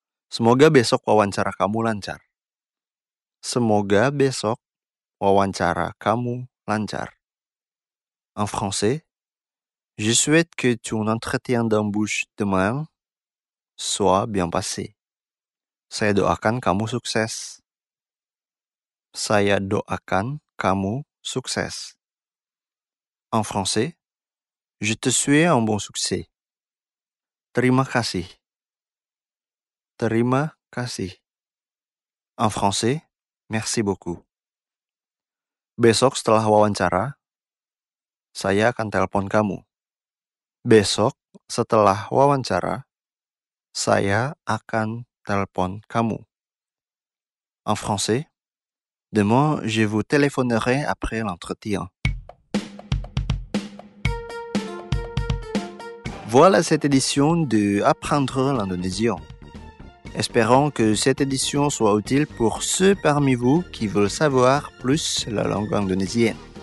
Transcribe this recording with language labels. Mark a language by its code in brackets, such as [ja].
[id] Semoga besok wawancara kamu lancar. Semoga besok wawancara kamu lancar. [fr] En français, je souhaite que ton entretien d'embauche demain soit bien passé. [id] Saya doakan kamu sukses. Saya doakan kamu sukses. [fr] En français, je te souhaite un bon succès. [id] Terima kasih. Terima kasih. [fr] En français, merci beaucoup. [id] Besok setelah wawancara, saya akan telepon kamu. Besok setelah wawancara, saya akan telepon kamu. [fr] En français, demain, je vous téléphonerai après l'entretien. Voilà cette édition de Apprendre l'indonésien. Espérons que cette édition soit utile pour ceux parmi vous qui veulent savoir plus la langue indonésienne.